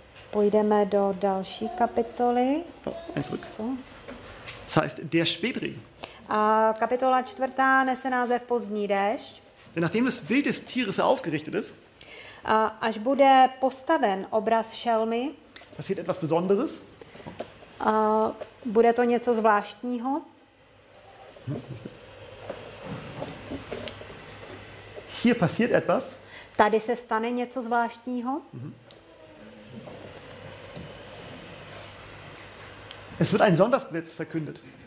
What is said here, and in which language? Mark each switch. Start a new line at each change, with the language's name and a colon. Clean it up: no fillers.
Czech: Pojdeme do další kapitoly.
German: Das heißt, der Spätregen.
Czech: Kapitola čtvrtá nese název Pozdní déšť.
German: Denn nachdem das Bild des Tieres aufgerichtet ist,
Czech: až bude postaven obraz šelmy,
German: passiert etwas Besonderes.
Czech: Bude to něco zvláštního.
German: Hier passiert etwas.
Czech: Tady se stane něco zvláštního.
German: Es wird ein Sonntagsgesetz verkündet.